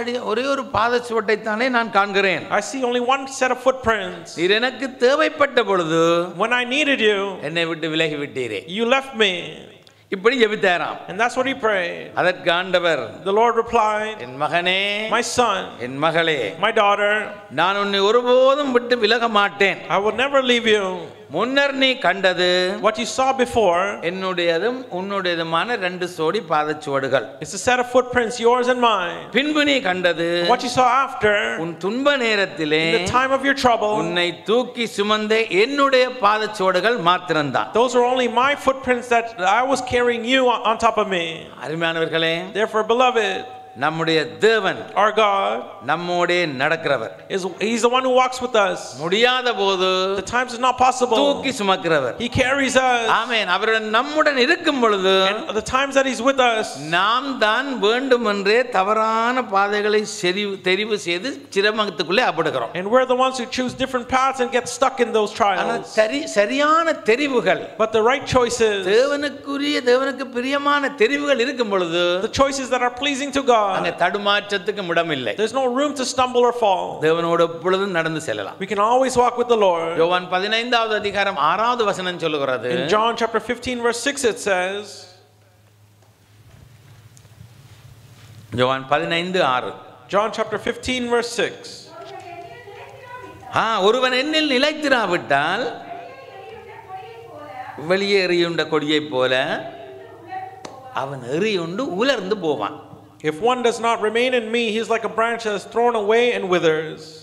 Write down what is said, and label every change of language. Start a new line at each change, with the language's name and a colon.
Tamil: ஒரே ஒரு பாதச்சுவட்டை தானே நான் காண்கிறேன்.
English: I see only one set of footprints.
Tamil: நீர் எனக்கு தேவைப்பட்ட பொழுது,
English: when I needed you,
Tamil: என்னை விட்டு விலகி விட்டீரே.
English: You left me.
Tamil: இப்படி ஜெபித்தாராம்.
English: And that's what he prayed.
Tamil: அதற்கு ஆண்டவர்,
English: the Lord replied,
Tamil: என் மகனே,
English: my son,
Tamil: என் மகளே,
English: my daughter,
Tamil: நான் உன்னை ஒருபோதும் விட்டு விலக மாட்டேன்.
English: I will never leave you.
Tamil: முன்னர் நீ கண்டது,
English: what you saw before,
Tamil: என்னுடையதும் உன்னுடையதுமான ரெண்டு சோடி பாதச்சுவடுகள்,
English: it's a set of footprints, yours and mine.
Tamil: பின்பு நீ கண்டது,
English: what you saw after,
Tamil: உன் துன்ப நேரத்திலே,
English: in the time of your trouble,
Tamil: உன்னை தூக்கி சுமந்த என்னுடைய பாதச்சுவடுகள் மாத்திரம்தான்.
English: Those were only my footprints that I was carrying you on top of me.
Tamil: அருமையானவர்களே,
English: therefore beloved,
Tamil: நம்முடைய தேவன்,
English: our God,
Tamil: நம்மோடே நடக்கிறவர்.
English: He's the one who walks with us.
Tamil: முடியாத போது,
English: the times is not possible,
Tamil: தூக்கி சுமக்கிறவர்.
English: He carries us.
Tamil: ஆமென். அவருடன் நம்முடன் இருக்கும் பொழுது,
English: the times that he's with us,
Tamil: நாம் தான் வேண்டுமென்றே தவறான பாதைகளை தெரிவு செய்து சிரமத்துக்குள்ளே ஆபடுகிறோம்.
English: And we're the ones who choose different paths and get stuck in those trials.
Tamil: ஆனால் சரியான தெரிவுகள்,
English: but the right choices,
Tamil: தேவனுக்குரிய தேவனுக்கு பிரியமான தெரிவுகள் இருக்கும் பொழுது,
English: the choices that are pleasing to God,
Tamil: அங்க தடுமாற்றத்துக்கு இடமில்லை.
English: There's no room to stumble or fall.
Tamil: தேவனோடு எப்பொழுதும் நடந்து செல்லலாம்.
English: We can always walk with the Lord.
Tamil: யோவான் 15வது அதிகாரம் 6வது வசனம் சொல்லுகிறது.
English: In John chapter 15 verse 6 it says,
Tamil: யோவான் 15:6.
English: John chapter 15 verse 6.
Tamil: ஆ, ஒருவன் என்னில் நிலைத்திராவிட்டால், வெளியே எரியுண்ட கொடியை போல அவன் எரியுண்டு உலர்ந்து போவான்.
English: If one does not remain in me, he is like a branch that is thrown away and withers.